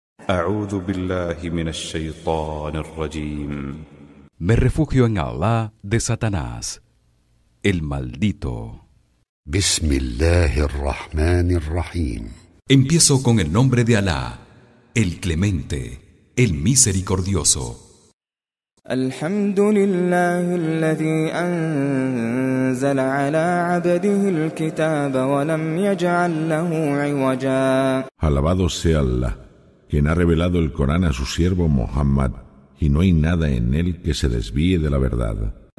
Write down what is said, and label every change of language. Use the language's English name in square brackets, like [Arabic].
[Arabic] أعوذ بالله من الشيطان الرجيم. [Spanish] Me refugio en Allah de Satanás, el maldito. [Arabic] بسم الله الرحمن الرحيم. [Spanish] Empiezo con el nombre de Allah, el clemente, el misericordioso. [Arabic] الحمد لله الذي أنزل على عبده الكتاب ولم يجعل له عوجا. [Spanish] Alabado sea Allah, quien ha revelado el Corán a su siervo Muhammad, y no hay nada en él que se desvíe de la verdad.